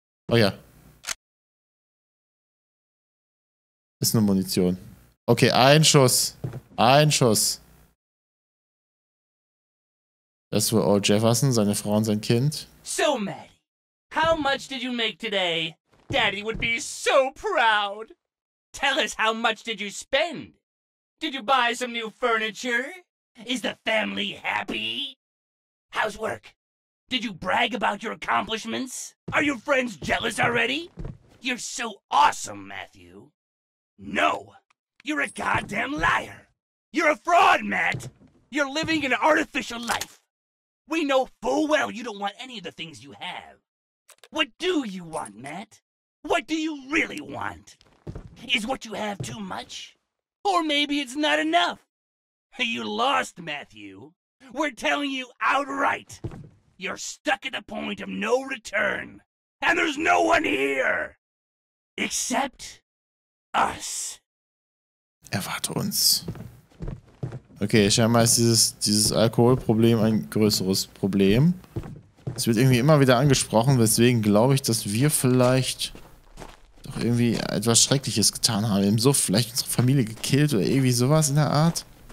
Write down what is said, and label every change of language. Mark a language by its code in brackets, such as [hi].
[de] Oh ja. Ist nur Munition. Okay, ein Schuss. Ein Schuss. Das ist wohl Old Jefferson, seine Frau und sein Kind. So, Maddie. [en] How much did you make today? Daddy would be so proud. Tell us, how much did you spend? Did you buy some new furniture? Is the family happy? How's work? Did you brag about your accomplishments? Are your friends jealous already? You're so awesome, Matthew. No! You're a goddamn liar! You're a fraud, Matt! You're living an artificial life! We know full well you don't want any of the things you have. What do you want, Matt? What do you really want? Is what you have too much? Or maybe it's not enough? You lost, Matthew. We're telling you outright, you're stuck at the point of no return, and there's no one here, except us. [de] Erwarte uns. Okay, scheinbar ist dieses Alkoholproblem ein größeres Problem. Es wird irgendwie immer wieder angesprochen, weswegen glaube ich, dass wir vielleicht da auch irgendwie etwas Schreckliches getan haben. Im Suff vielleicht unsere Familie gekillt oder irgendwie sowas in der Art.